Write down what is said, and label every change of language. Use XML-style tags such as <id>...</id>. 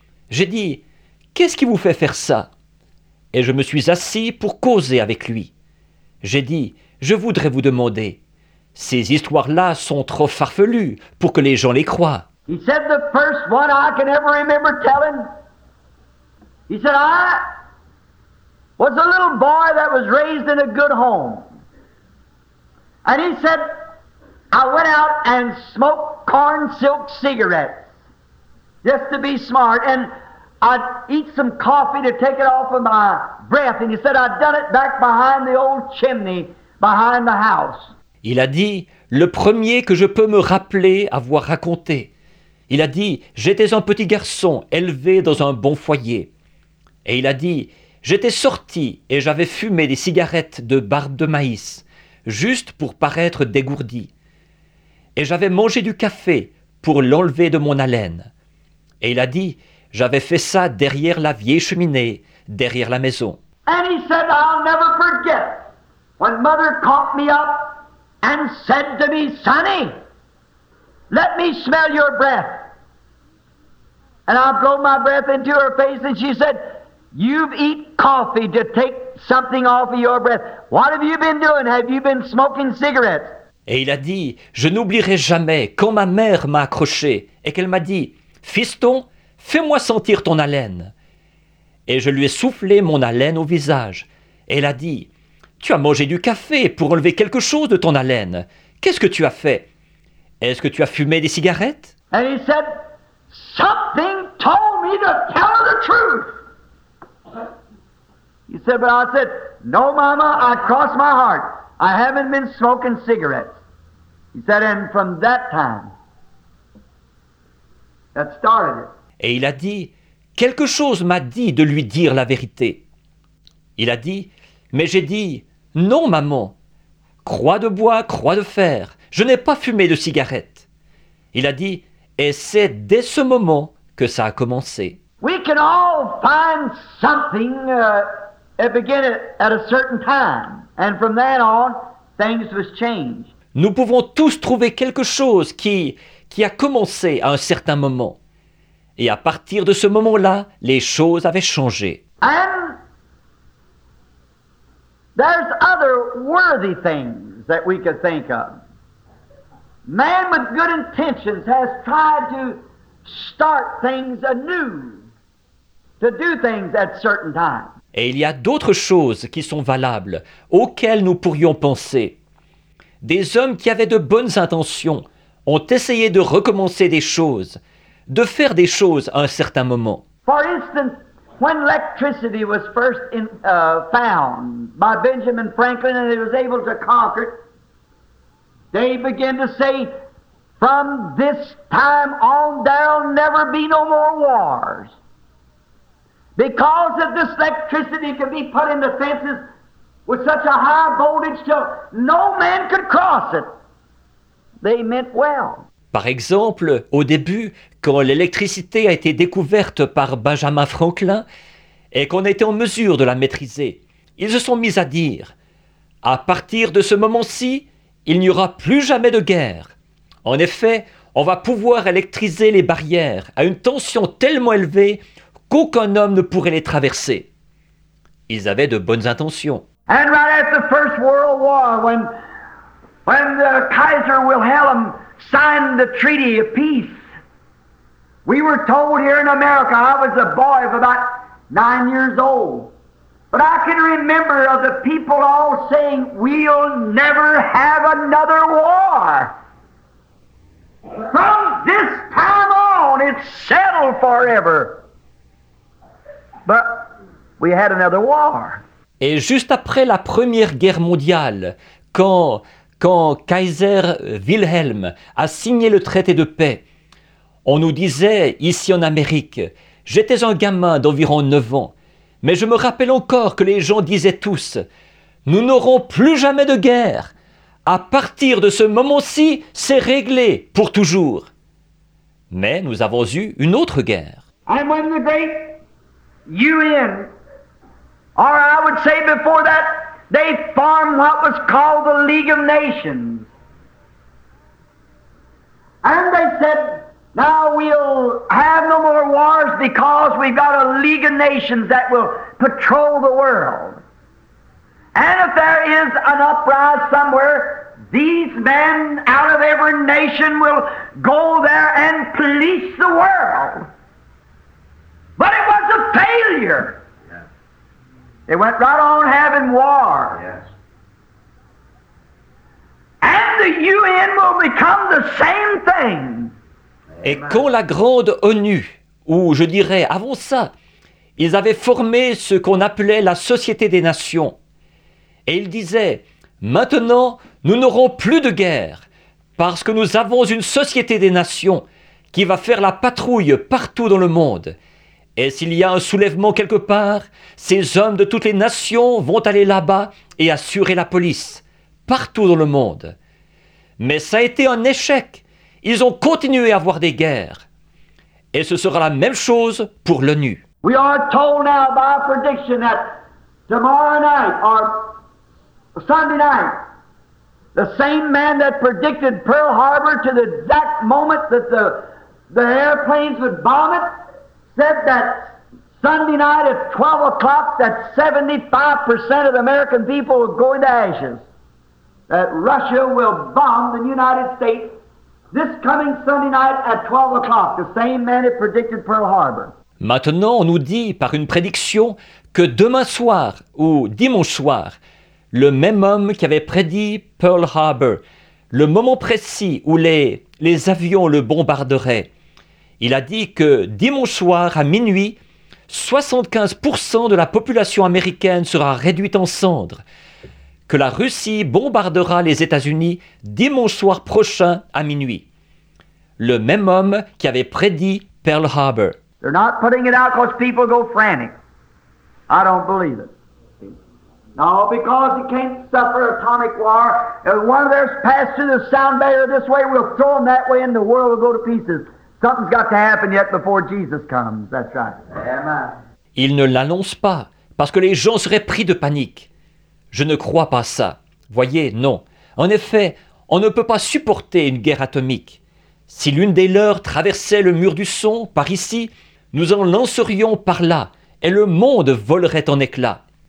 <fr>J'ai dit, qu'est-ce qui vous fait faire ça? Et je me suis assis pour causer avec lui. J'ai dit, je voudrais vous demander, ces histoires-là sont trop farfelues pour que les gens les croient.</fr> <en>He said the first one I can ever remember telling. He said, I was a little boy that was raised in a good home. And he said, I went out and smoked corn silk cigarettes just to be smart. And I'd eat some coffee to take it off of my breath. And he said, I'd done it back behind the old chimney, behind the house.</en> <fr>Il a dit, le premier que je peux me rappeler avoir raconté. Il a dit, j'étais un petit garçon élevé dans un bon foyer. Et il a dit, j'étais sorti et j'avais fumé des cigarettes de barbe de maïs. Juste pour paraître dégourdi. Et j'avais mangé du café pour l'enlever de mon haleine. Et il a dit, j'avais fait ça derrière la vieille cheminée, derrière la maison.</fr> <en>And he said, I'll never forget when mother caught me up and said to me, Sonny, let me smell your breath. And I blow my breath into her face and she said, you've eaten coffee to take something off of your breath. What have you been doing? Have you been smoking cigarettes?</en> <fr>Et il a dit, je n'oublierai jamais quand ma mère m'a accroché et qu'elle m'a dit, fiston, fais-moi sentir ton haleine. Et je lui ai soufflé mon haleine au visage. Et elle a dit, tu as mangé du café pour enlever quelque chose de ton haleine. Qu'est-ce que tu as fait? Est-ce que tu as fumé des cigarettes?</fr> <en>And he said, something told me to tell the truth. He said, but I said, no, mama, I crossed my heart. I haven't been smoking cigarettes. He said, and from that time, that started it.</en> <fr>Et il a dit, quelque chose m'a dit de lui dire la vérité. Il a dit, mais j'ai dit, non, maman, croix de bois, croix de fer, je n'ai pas fumé de cigarette. Il a dit, et c'est dès ce moment que ça a commencé.</fr> <en>We can all find something and begin it at a certain time. And from that on, things was changed.</en> <fr>Nous pouvons tous trouver quelque chose qui a commencé à un certain moment. Et à partir de ce moment-là, les choses avaient changé.</fr> <en>And there's other worthy things that we could think of. Man with good intentions has tried to start things anew, to do things at certain times.</en> <fr>Et il y a d'autres choses qui sont valables, auxquelles nous pourrions penser. Des hommes qui avaient de bonnes intentions ont essayé de recommencer des choses, de faire des choses à un certain moment.</fr> <en>For instance, when electricity was first found by Benjamin Franklin and he was able to conquer it, they began to say, from this time on, there'll never be no more wars. Because of this electricity can be put in the fences with such a high voltage till no man could cross it. They meant well.</en> <fr>Par exemple, au début, quand l'électricité a été découverte par Benjamin Franklin et qu'on était en mesure de la maîtriser, ils se sont mis à dire, à partir de ce moment-ci, il n'y aura plus jamais de guerre. En effet, on va pouvoir électriser les barrières à une tension tellement élevée qu'aucun homme ne pourrait les traverser. Ils avaient de bonnes intentions.</fr> <en>And right at the First World War, when the Kaiser Wilhelm signed the Treaty of Peace, we were told here in America, I was a boy of about 9 years old, but I can remember of the people all saying, we'll never have another war. From this time on, it's settled forever. But we had another war.</en> <fr>Et juste après la Première Guerre mondiale, quand Kaiser Wilhelm a signé le traité de paix, on nous disait ici en Amérique, j'étais un gamin d'environ 9 ans, mais je me rappelle encore que les gens disaient tous, nous n'aurons plus jamais de guerre. À partir de ce moment-ci, c'est réglé pour toujours. Mais nous avons eu une autre guerre.</fr> <en>And when the great UN, or I would say before that, they formed what was called the League of Nations. And they said, now we'll have no more wars because we've got a League of Nations that will patrol the world. And if there is an uprise somewhere, these men out of every nation will go there and police the world. But it was a failure. Yes. They went right on having war. Yes. And the UN will become the same thing.</en> <fr>Et quand la grande ONU, ou je dirais avant ça, ils avaient formé ce qu'on appelait la Société des Nations. Et ils disaient, maintenant, nous n'aurons plus de guerre, parce que nous avons une Société des Nations qui va faire la patrouille partout dans le monde. Et s'il y a un soulèvement quelque part, ces hommes de toutes les nations vont aller là-bas et assurer la police, partout dans le monde. Mais ça a été un échec. Ils ont continué à avoir des guerres. Et ce sera la même chose pour l'ONU.</fr> <en>We are told now by prediction that tomorrow night or Sunday night, the same man that predicted Pearl Harbor to the exact moment that the airplanes would bomb it, said that Sunday night at 12 o'clock that 75% of the American people would go into ashes. that Russia will bomb the United States this coming Sunday night at 12 o'clock, the same man that predicted Pearl Harbor.</en> <fr>Maintenant, on nous dit par une prédiction que demain soir ou dimanche soir, le même homme qui avait prédit Pearl Harbor, le moment précis où les avions le bombarderaient, il a dit que dimanche soir à minuit, 75% de la population américaine sera réduite en cendres, que la Russie bombardera les États-Unis dimanche soir prochain à minuit. Le même homme qui avait prédit Pearl Harbor.</fr> <en>They're not putting it out because people go frantic. I don't believe it. No, because you can't suffer atomic war. If one of theirs passed through the sound barrier this way, we'll throw them that way and the world will go to pieces. Something's got to happen yet before Jesus comes. That's right. Amen.</en> <fr>Il ne l'annonce pas, parce que les gens seraient pris de panique. Je ne crois pas ça. Voyez, non. En effet, on ne peut pas supporter une guerre atomique. Si l'une des leurs traversait le mur du son, par ici, nous en lancerions par là, et le monde volerait en éclats.</fr>